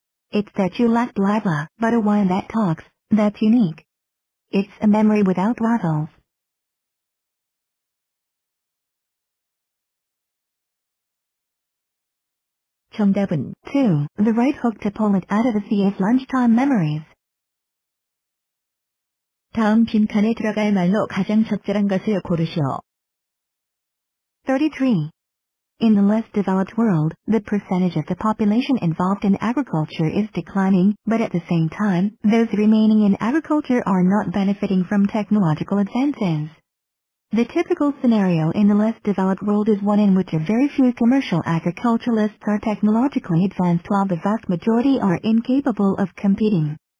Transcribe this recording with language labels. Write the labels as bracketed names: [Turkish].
[English] It's that you lacked blah blah, but a wine that talks, that's unique. It's a memory without rivals. [Korean] 정답은 2. [English] The right hook to pull it out of the sea of lunchtime memories. [Korean] 다음 빈칸에 들어갈 말로 가장 적절한 것을 고르시오. 33. [English] In the less developed world, the percentage of the population involved in agriculture is declining, but at the same time, those remaining in agriculture are not benefiting from technological advances. The typical scenario in the less developed world is one in which a very few commercial agriculturalists are technologically advanced while the vast majority are incapable of competing.